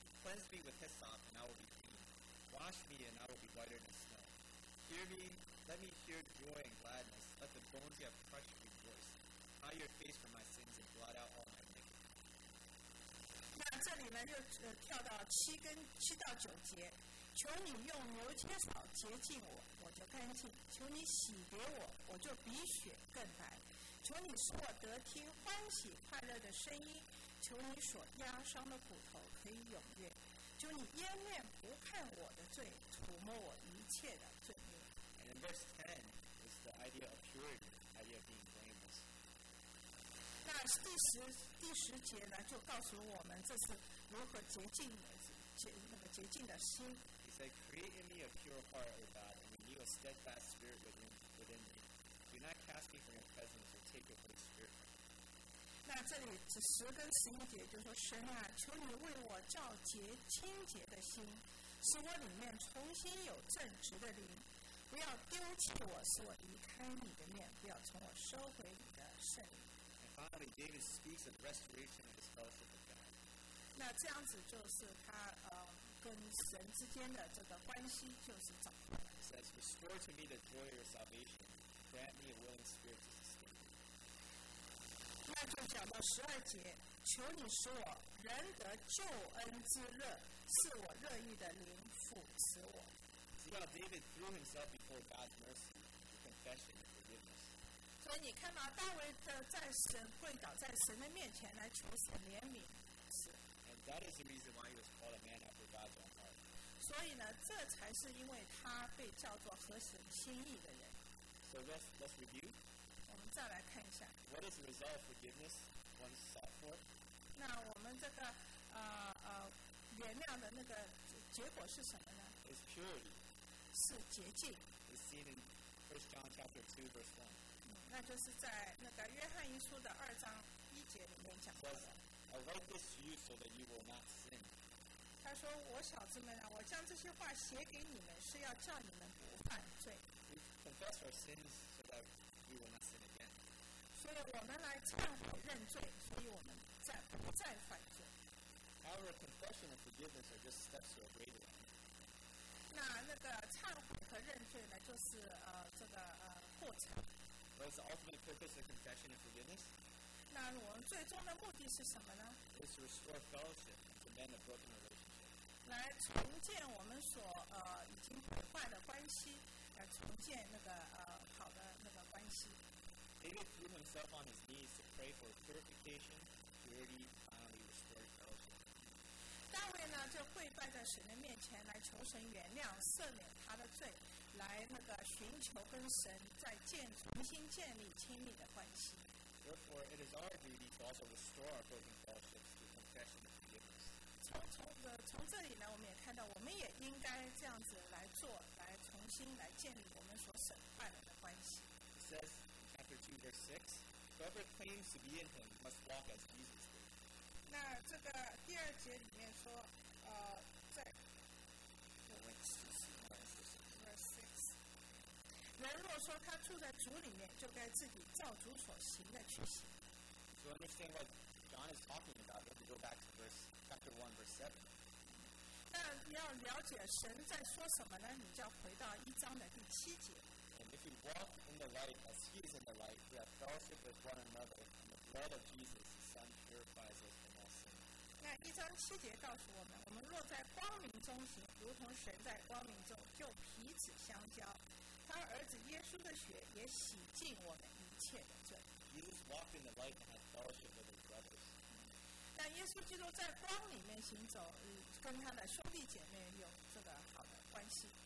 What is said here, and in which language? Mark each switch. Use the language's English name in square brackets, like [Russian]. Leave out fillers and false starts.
[English] Cleanse me with hyssop, and I will be clean. Wash me, and I will be whiter than snow. Hear me, let me hear joy and gladness. Let the bones you have crushed rejoice. Hide your face from my sins, and blot out all my iniquities. 那 [Chinese] 这里呢又跳到七到九节，求你用牛切草洁净我，我就干净；求你洗别我，我就比雪更白；求你使我得听欢喜快乐的声音；求你所压伤的骨头可以踊跃；求你掩面不看我的罪，涂抹我一切的罪孽。 [English] And in verse 10 is the idea of purity, the idea of being blameless. [Chinese] 那第十节呢，就告诉我们这是如何洁净的洁净的心。 [English] He said, "Create in me a pure heart, O God, and renew a steadfast spirit within me. Do not cast me from your presence, or take your Holy Spirit." [Chinese] 那这里这十跟十一节就说，神啊，求你为我造洁清洁的心，使我里面重新有正直的灵。不要丢弃我，使我离开你的面；不要从我收回你的圣灵。 [English] And finally, David speaks of restoration of his fellowship with God. [Chinese] 那这样子就是他跟神之间的这个关系就是找回来。 [English] He says, "Restore to me the joy of your salvation. Grant me a willing spirit to sustain me." [Chinese] 那就讲到十二节，求你使我仍得救恩之乐，赐我乐意的灵扶持我。 [English] Well, David threw himself before God's mercy, confession and forgiveness. [Chinese] 所以你看到大卫在神跪倒在神的面前来求神怜悯。 [English] And that is the reason why he was called a man after God's own heart. [Chinese] 所以呢，这才是因为他被叫做合神心意的人。 [English] So let's review. [Chinese] 我们再来看一下。 [English] What is the result of forgiveness once sought for? [Chinese] 那我们这个原谅的那个结果是什么呢？ [English] Is purity. [Chinese] 是洁净。 [English] It's seen in 1 John chapter 2, verse 1. [Chinese] 那就是在那个约翰一书的二章一节里面讲到的。 [English] I write this to you so that you will not sin. [Chinese] 他说，我小子们啊，我将这些话写给你们，是要叫你们不犯罪。 [English] We confess our sins so that we will not sin again. [Chinese] 所以我们来忏悔认罪，所以我们不再犯罪。 [English] However, confession and forgiveness are just steps to a greater end. [Chinese] 那个忏悔和认罪呢，就是过程。 [English] What is the ultimate purpose of confession and forgiveness? [Chinese] 那我们最终的目的是什么呢？ [English] Is to restore fellowship and to mend a broken relationship. [Chinese] 来重建我们所已经毁坏的关系，来重建那个好的那个关系。 [English] David threw himself on his knees to pray for purification, purity, finally restored fellowship. [Chinese] 大卫呢，就跪拜在神的面前，来求神原谅、赦免他的罪，来那个寻求跟神再重新建立亲密的关系。 [English] Therefore, it is our duty to also restore our broken fellowships through confession and forgiveness. [Chinese] 从这里呢，我们也看到，我们也应该这样子来做，来重新来建立我们所损坏了的关系。 [English] It says, chapter 2, verse 6, whoever claims to be in him must walk as Jesus did. [Chinese] 那这个第二节里面说，在 [English] verse 6, [Chinese] 人若说他住在主里面，就该自己照主所行的去行。 [English] So understand what John is talking about. We have to go back to verse chapter 1, verse 7. [Chinese] 那你要了解神在说什么呢？你就要回到一章的第七节。 [English] And if you walk in the light as He is in the light, we have fellowship with one another, and the blood of Jesus, His Son, purifies us from all sin. [Chinese] 那一章七节告诉我们，我们若在光明中行，如同神在光明中，就彼此相交。他儿子耶稣的血也洗净我们一切的罪。 [English] Jesus walked in the light and had fellowship with His brothers. [Chinese] 那耶稣基督在光里面行走，跟他的兄弟姐妹有这个好的关系。